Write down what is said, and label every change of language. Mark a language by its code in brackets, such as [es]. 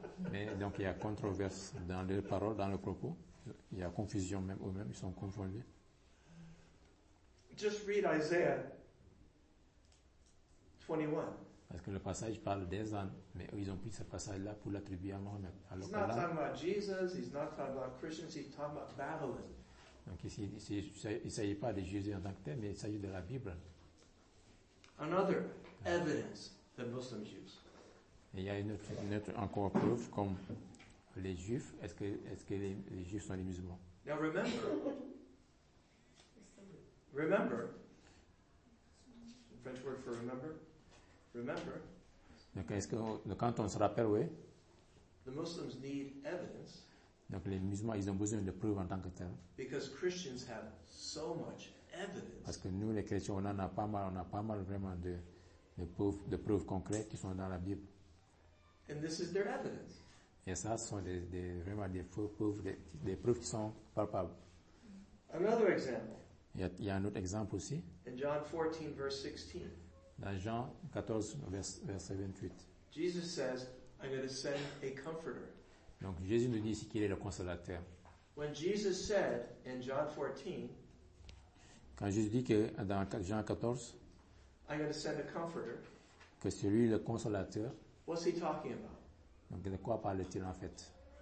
[fr] Mais donc il y a controverse dans les paroles, dans le propos. Il y a confusion même eux-mêmes, ils sont confondus. [en] Just read Isaiah 21. [fr] Parce que le passage parle des ânes, mais eux, ils ont pris ce passage-là pour l'attribuer à Mohammed. [en] Alors he's not talking about Jesus, he's not talking about Christians, he's talking about Babylon. [fr] Donc ici, il ne s'agit pas de Jésus en tant que tel, mais il s'agit de la Bible. [en] Another evidence that Muslims use. [fr] Et il y a une autre encore preuve, comme les Juifs, est-ce que les Juifs sont les musulmans? [en] Now remember, the French word for remember, [fr] Donc, est-ce que quand on se rappelle, oui. [en] The Muslims need evidence. [fr] Donc, les musulmans, ils ont besoin de preuves en tant que tel. [en] Because Christians have so much evidence. [fr] Parce que nous, les chrétiens, on en a pas mal, vraiment de preuves concrètes qui sont dans la Bible. [en] And this is their evidence. [fr] Et ça, ce sont des preuves qui sont palpables. [en] Another example. [fr] Il y a un autre exemple aussi. [en] In John 14, verse 16. [fr] Dans Jean 14, verset 28. [en] Jesus says, I'm going to send a comforter. [fr] Donc Jésus nous dit ici qu'il est le consolateur. [en] When Jesus said in John 14, [fr] quand Jésus dit que dans Jean 14, [en] I'm going to send a comforter, [fr] que c'est lui le consolateur. [en] What's he talking about? [fr] Donc de quoi parle-t-il en fait?